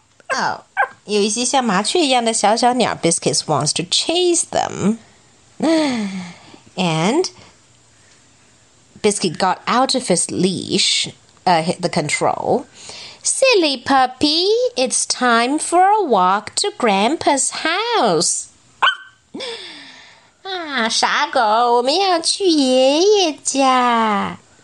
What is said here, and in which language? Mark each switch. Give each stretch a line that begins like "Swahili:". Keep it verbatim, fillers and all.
Chinese: Oh, 有一些像麻雀一样的小小鸟。
English: Biscuit wants to chase them. And Biscuit got out of his leash, uh, the control. Silly puppy, it's time for a walk to Grandpa's house.
Chinese: 啊，傻狗，我们要去爷爷家。